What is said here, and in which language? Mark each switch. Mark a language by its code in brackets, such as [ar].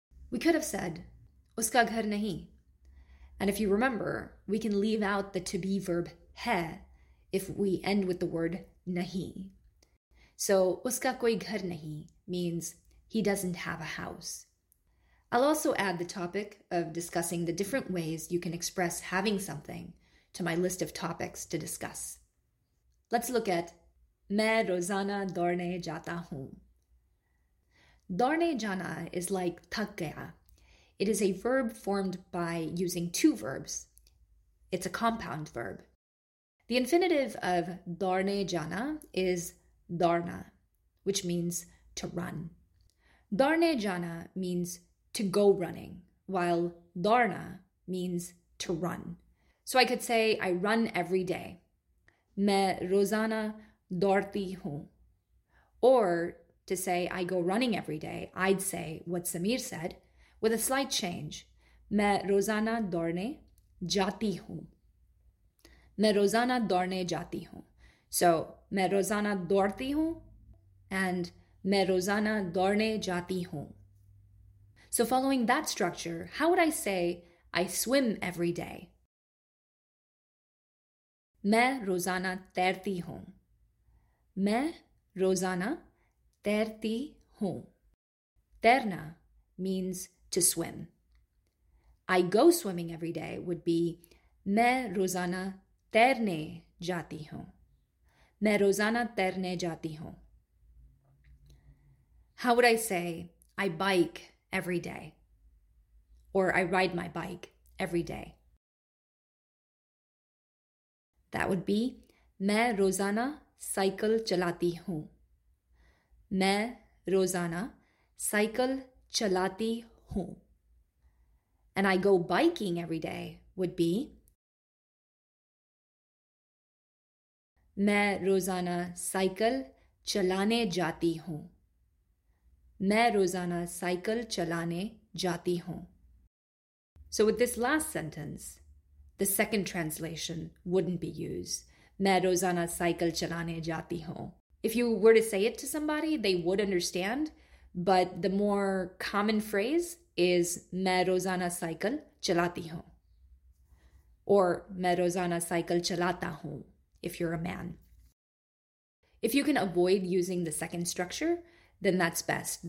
[en] We could have said, [hi] uska ghar nahi. [en] And if you remember, we can leave out the to be verb hai if we end with the word nahi. So, [hi] uska koi ghar nahi [en] means he doesn't have a house. I'll also add the topic of discussing the different ways you can express having something to my list of topics to discuss. Let's look at [hi] मैं रोजाना दौड़ने जाता हूँ. दौड़ने जाना [en] is like [hi] थक गया. [en] It is a verb formed by using two verbs. It's a compound verb. The infinitive of [hi] दौड़ने जाना [en] is दौड़ना, which means to run. [hi] दौड़ने जाना [en] means to go running, while दौड़ना means to run. So I could say I run every day. [hi] मैं रोजाना दौड़ती हूँ. [en] Or to say I go running every day, I'd say what Samir said with a slight change. [hi] मैं रोजाना दौड़ने जाती हूँ. मैं रोजाना दौड़ने जाती हूँ. So मैं रोजाना दौड़ती हूँ and मैं रोजाना दौड़ने जाती हूँ. [en] So following that structure, how would I say I swim every day? [hi] मैं रोजाना तैरती हूँ. मैं रोजाना तैरती हूँ. [en] तैरना means to swim. I go swimming every day would be [hi] मैं रोजाना तैरने जाती हूँ. मैं रोजाना तैरने जाती हूँ. [en] How would I say I bike every day? Or I ride my bike every day? That would be [hi] मैं रोजाना साइकिल चलाती हूँ. मैं रोजाना साइकिल चलाती हूँ. [en] And I go biking every day would be [hi] मैं रोजाना साइकिल चलाने जाती हूँ. मैं रोजाना साइकिल चलाने जाती हूँ. [en] So with this last sentence, the second translation wouldn't be used. [hi] मैं रोजाना साइकिल चलाने जाती हूँ. [en] If you were to say it to somebody, they would understand, but the more common phrase is [hi] मैं रोजाना साइकिल चलाती हूँ. Or मैं रोजाना साइकिल चलाता हूँ [en] if you're a man. If you can avoid using the second structure, then that's best.